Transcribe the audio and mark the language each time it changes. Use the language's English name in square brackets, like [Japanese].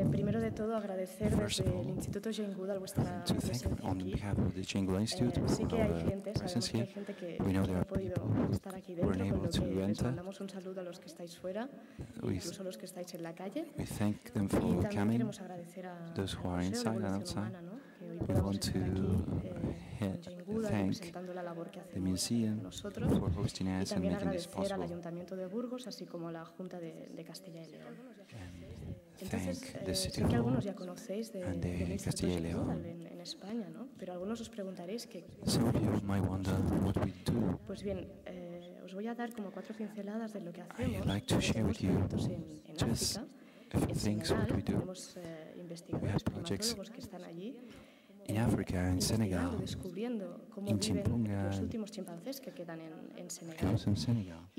[Spanish] Primero de todo, agradecer desde el Instituto Jane Goodall vuestra presencia aquí. Sí que hay gente, sabemos que hay gente que no ha podido estar aquí dentro, con lo que les mandamos un saludo a los que estáis fuera, incluso a los que estáis en la calle. [English] We thank them for coming. [Spanish] Y también queremos agradecer a los que están [English] inside and outside. We want to thank the museum for hosting us and making this possible. Thank the City Hall and the [Spanish] Castilla y León. Pero algunos os preguntaréis que [English] some of you might wonder what we do. [Spanish] Pues bien, os voy a dar como cuatro pinceladas de lo que hacemos. [English] I'd like to share with you just a few things what we do. [Spanish] Tenemos, investigadores primatólogos que están allí. [English] In Africa, in Senegal, in Chimpunga, and also in Senegal,